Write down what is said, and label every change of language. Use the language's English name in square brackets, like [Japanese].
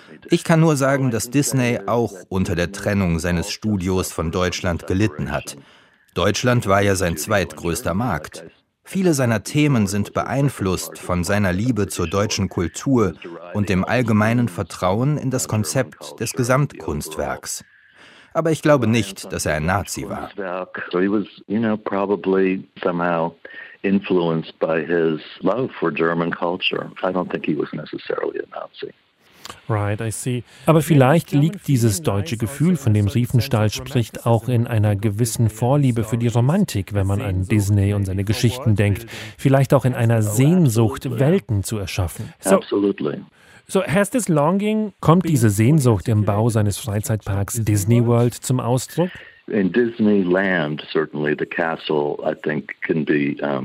[German] Ich kann nur sagen, dass Disney auch unter der Trennung seines Studios von Deutschland gelitten hat. Deutschland war ja sein zweitgrößter Markt. Viele seiner Themen sind beeinflusst von seiner Liebe zur deutschen Kultur und dem allgemeinen Vertrauen in das Konzept des Gesamtkunstwerks. Aber ich glaube nicht, dass er ein Nazi war. [English] So he was, you know, probably somehow influenced by his love for German culture. I don't think he was necessarily a Nazi. Right, I see. [German] Aber vielleicht liegt dieses deutsche Gefühl, von dem Riefenstahl spricht, auch in einer gewissen Vorliebe für die Romantik, wenn man an Disney und seine Geschichten denkt. Vielleicht auch in einer Sehnsucht, Welten zu erschaffen. [English] So has this longing, [German] kommt diese Sehnsucht im Bau seines Freizeitparks Disney World zum Ausdruck? [English] In Disneyland, certainly the castle, I think, can be